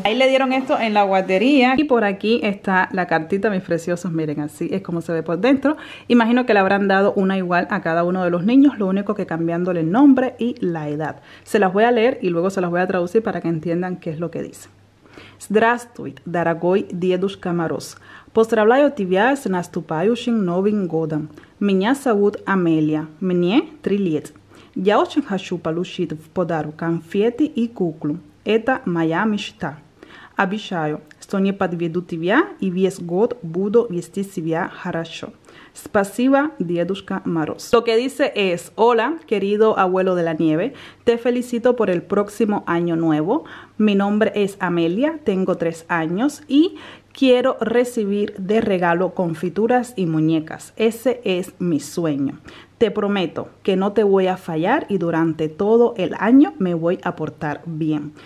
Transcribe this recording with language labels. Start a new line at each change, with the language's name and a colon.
Spanish: Ahí le dieron esto en la guardería. Y por aquí está la cartita, mis preciosos. Miren, así es como se ve por dentro. Imagino que le habrán dado una igual a cada uno de los niños, lo único que cambiándole el nombre y la edad. Se las voy a leer y luego se las voy a traducir para que entiendan qué es lo que dice.
Russian: Здравствуй, дорогой дедушка Мороз. Поздравляю тебя с наступающим Новым годом. Меня зовут Амелия. Мне 3 лет. Я очень хочу получить в подарок конфеты и куклу. Это моя мечта. Обещаю, что не подведу тебя и весь год буду вести себя хорошо. Спасибо, дедушка Мороз.
Spanish: Lo que dice es, hola, querido abuelo de la nieve, te felicito por el próximo año nuevo. Mi nombre es Amelia, tengo 3 años y quiero recibir de regalo confituras y muñecas. Ese es mi sueño. Te prometo que no te voy a fallar y durante todo el año me voy a portar bien.